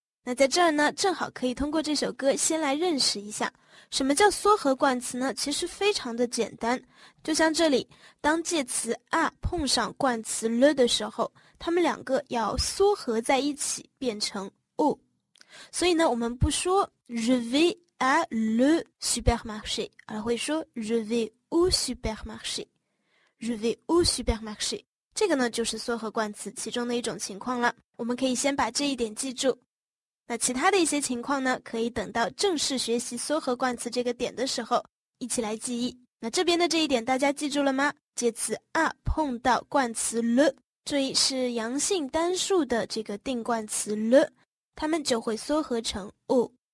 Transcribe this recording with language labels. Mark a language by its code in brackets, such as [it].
[zh] 那在这儿呢，正好可以通过这首歌先来认识一下什么叫缩合冠词呢。其实非常的简单，就像这里当介词 à 碰上冠词 le 的时候，它们两个要缩合在一起变成 au。所以呢我们不说 [fr] je vais à le supermarché， [zh] 而会说 [fr] je vais au supermarché， [zh] je vais au supermarché。这个呢就是缩合冠词其中的一种情况了，我们可以先把这一点记住。那其他的一些情况呢，可以等到正式学习缩合冠词这个点的时候一起来记忆。那这边的这一点大家记住了吗？介词 à 碰到冠词 le， 注意是阳性单数的这个定冠词 le， 它们就会缩合成 au。